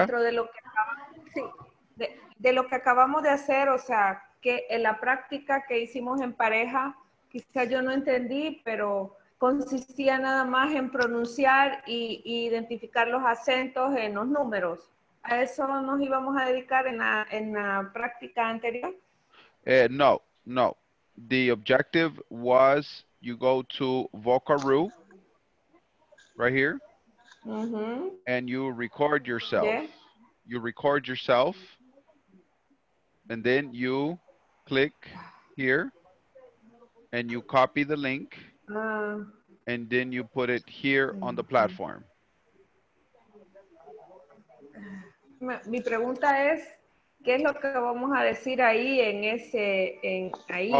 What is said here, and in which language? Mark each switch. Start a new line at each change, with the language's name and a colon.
Spanish: Dentro de lo que acabamos, sí, de lo que acabamos de hacer, o sea, que en la práctica que hicimos en pareja, quizá yo no entendí, pero consistía nada más en pronunciar y identificar los acentos en los números. ¿A eso nos íbamos a dedicar en la práctica anterior? No, no.
English: The objective was you go to Vocaru right here and you record yourself. Yeah. You record yourself and then you click here and you copy the link and then you put it here on the platform.
Spanish: Mi pregunta es, ¿qué es lo que vamos a decir ahí en ese, en ahí,